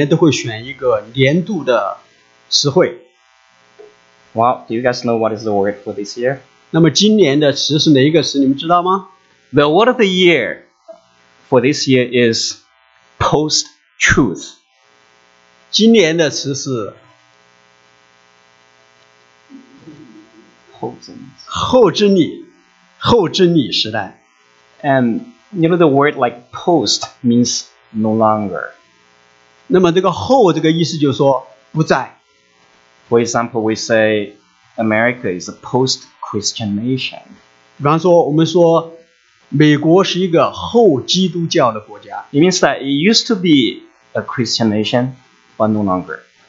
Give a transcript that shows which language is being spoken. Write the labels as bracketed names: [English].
[Chinese] 牛津大词典每年都会选一个年度的词汇。 [English] Well, do you guys know what is the word for this year? [Chinese] 那么今年的词是哪一个词,你们知道吗? [English] The word of the year for this year is post-truth. [Chinese] 今年的词是... ...后真理时代。 [English] And you know the word like post means no longer. [Chinese] 那么这个后这个意思就是说不在。 [English] For example, we say America is a post-Christian nation. [Chinese] 比方说我们说美国是一个后基督教的国家。 [English] It means that it used to be a Christian nation, but no longer.